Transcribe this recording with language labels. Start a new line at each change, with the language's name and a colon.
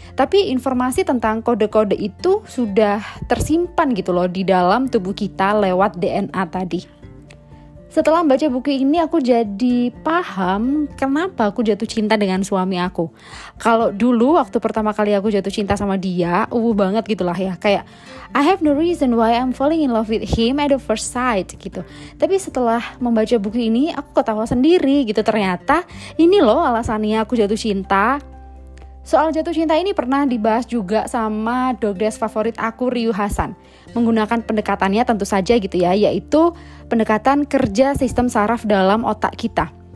Indonesian: Tapi informasi tentang kode-kode itu sudah tersimpan gitu loh di dalam tubuh kita lewat DNA tadi. Setelah baca buku ini aku jadi paham kenapa aku jatuh cinta dengan suami aku. Kalau dulu waktu pertama kali aku jatuh cinta sama dia, banget gitulah ya.
English: Kayak I have no reason why I'm falling in love with him at the first sight gitu.
Indonesian: Tapi setelah membaca buku ini aku ketawa sendiri gitu, ternyata ini loh alasannya aku jatuh cinta. Soal jatuh cinta ini pernah dibahas juga sama dogdes favorit aku, Ryu Hasan. Menggunakan pendekatannya tentu saja gitu ya, yaitu pendekatan kerja sistem saraf dalam otak kita.